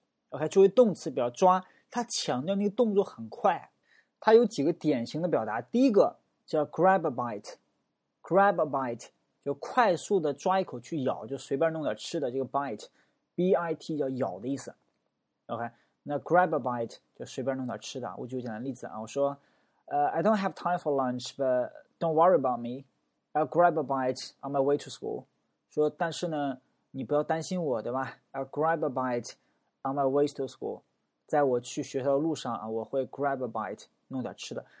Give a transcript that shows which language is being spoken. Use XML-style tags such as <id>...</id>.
<zh>OK， 作为动词表示抓，它强调那个动作很快。它有几个典型的表达，第一个叫 grab a bite，grab a bite 就快速的抓一口去咬，就随便弄点吃的，这个 bite。 B-I-T 叫咬的意思 ，OK， 那 grab a bite 就随便弄点吃的。我举个简单例子啊，我说，</zh> <en>I don't have time for lunch， but don't worry about me， I'll grab a bite on my way to school。</en> <zh>说，但是呢，你不要担心我，对吧 ？</zh> <en>I'll grab a bite on my way to school，</en> <zh>在我去学校的路上啊，我会 grab a bite 弄点吃的。</zh>